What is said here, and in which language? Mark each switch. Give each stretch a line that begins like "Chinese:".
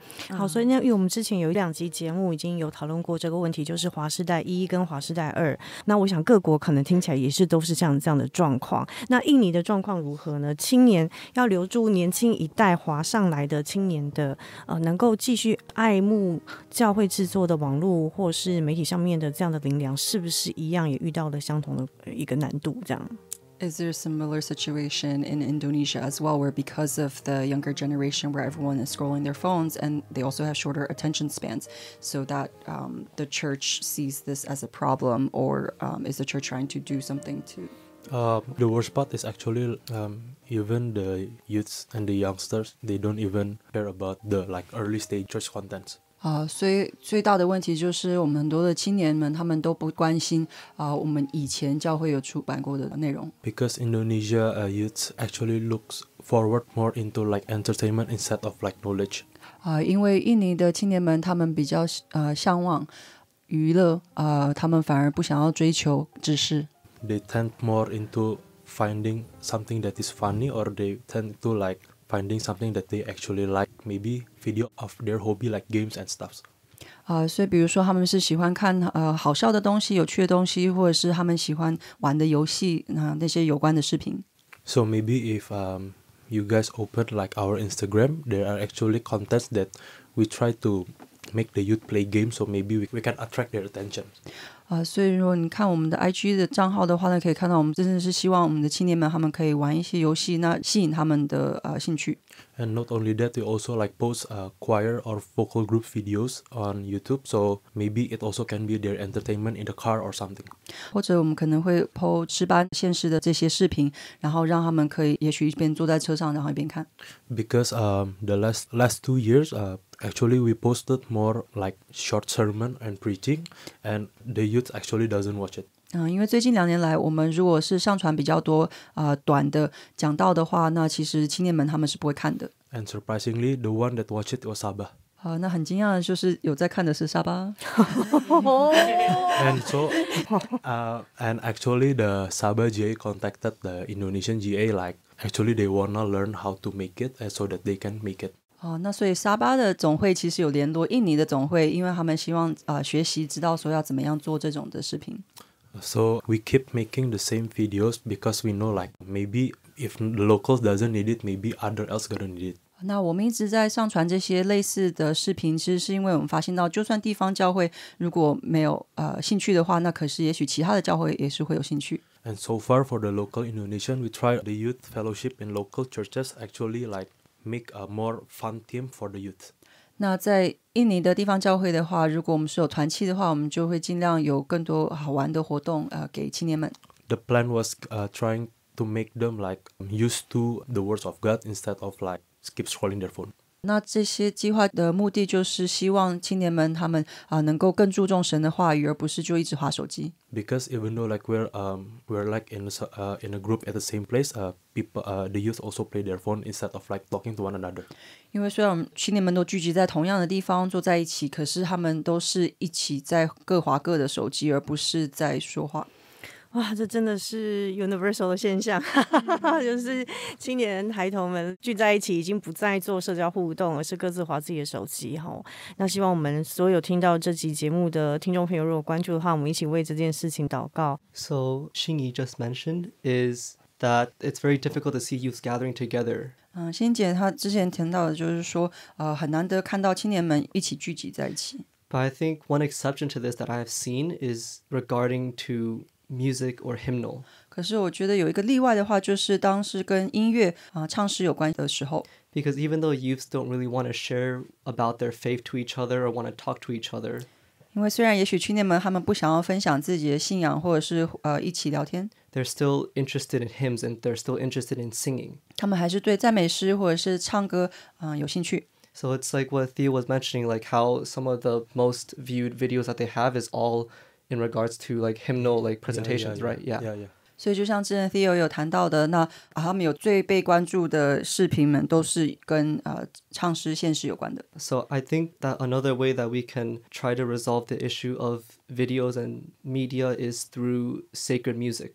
Chinese: 好，所以因为我们之前有两集节目已经有讨论过这个问题，就是华世代一跟华世代二，那我想各国可能听起来也是都是这样的状况，那印尼的状况如何呢？青年要留住年轻一代华上来的青年的能够继续爱慕教会制作的网络或是媒体上面的这样的灵粮，是不是一样也遇到了相同的一个难度这样？
English: Is there a similar situation in Indonesia as well, where because of the younger generation where everyone is scrolling their phones and they also have shorter attention spans, so that the church sees this as a problem, or is the church trying to do something to... The worst part is actually even the youths and the youngsters, they don't even care about the like early stage church contents.
Chinese: 所以最大的问题就是我们很多的青年们他们都不关心我们以前教会有出版过的内容。
English: Because Indonesia youth actually looks forward more into like entertainment instead of like knowledge.
Chinese: 因为印尼的青年们他们比较向往娱乐他们反而不想要追求知识。
English: They tend more into finding something that is funny or they tend to like finding something that they actually like, maybe video of their hobby like games and stuff.
Chinese: 所以比如说他们是喜欢看好笑的东西，有趣的东西，或者是他们喜欢玩的游戏，那些有关的视频。
English: So maybe if you guys open like our Instagram, there are actually contests that we try to make the youth play games, so maybe we can attract their attention.
Chinese: 所以如果你看我们的 IG 的账号的话呢，可以看到我们真的是希望我们的青年们他们可以玩一些游戏，那吸引他们的兴趣。
English: And not only that, we also like post choir or vocal group videos on YouTube, so maybe it also can be their entertainment in the car or something.
Chinese: 或者我们可能会 po 吃班现实的这些视频，然后让他们可以也许一边坐在车上，然后一边看。
English: Because the last 2 years, actually we posted more like short sermon and preaching, and the youth actually doesn't watch it.
Chinese: 因为最近两年来我们如果是上传比较多短的讲道的话，那其实青年们他们是不会看的。
English: And surprisingly, the one that watched it was Sabah.
Chinese: 那很惊讶的就是有在看的是沙巴。
English: And so, and actually the Sabah GA contacted the Indonesian GA like, actually they wanna learn how to make it so that they can make it.
Chinese: 那所以沙巴的总会其实有联络印尼的总会，因为他们希望学习知道说要怎么样做这种的视频。
English: So we keep making the same videos because we know like maybe if the locals doesn't need it, maybe other else gonna need it.
Chinese: 那我们一直在上传这些类似的视频，其实是因为我们发现到就算地方教会如果没有兴趣的话，那可是也许其他的教会也是会有兴趣。
English: And so far for the local Indonesian, we try the youth fellowship in local churches actually like make a more fun team for the youth.
Chinese: 那在印尼的地方教会的话，如果我们是有团契的话，我们就会尽量有更多好玩的活动给青年们。
English: The plan was trying to make them like used to the words of God instead of like keep scrolling their phone.
Chinese: 那这些计划的目的就是希望青年们他们、能够更注重神的话语，而不是就一直滑手机。
English: Because even though like we're like in a group at the same place, the youth also play their phone instead of like talking to one another.
Chinese: 因为虽然青年们都聚集在同样的地方坐在一起，可是他们都是一起在各滑各的手机，而不是在说话。哇，这真的是 universal 的现象，就是青年孩童们聚在一起已经不再做社交互动，而是各自滑自己的手机。那希望我们所有听到这集节目的听众朋友，如果关注的话，我们一起为这件事情祷告。
English: So Xinyi just mentioned is that it's very difficult to see youth gathering together.
Chinese: 欣姐她之前听到的就是说、很难得看到青年们一起聚集在一起。
English: But I think one exception to this that I have seen is regarding to music or hymnal.
Chinese: 可是我觉得有一个例外的话，就是当是跟音乐、唱诗有关的时候。
English: Because even though youths don't really want to share about their faith to each other or want to talk to each other,
Chinese: 因为虽然也许青年们他们不想要分享自己的信仰或者是、一起聊天，
English: they're still interested in hymns and they're still interested in singing.
Chinese: 他们还是对赞美诗或者是唱歌、有兴趣。
English: So it's like what Theo was mentioning, like how some of the most viewed videos that they have is allin regards to like hymnal like presentations, yeah, yeah, yeah. right? Yeah. Yeah, yeah.
Chinese: 所以就像之前 Theo 有谈到的，那、他们有最被关注的视频们都是跟、唱诗献诗有关的。
English: So I think that another way that we can try to resolve the issue of videos and media is through sacred music.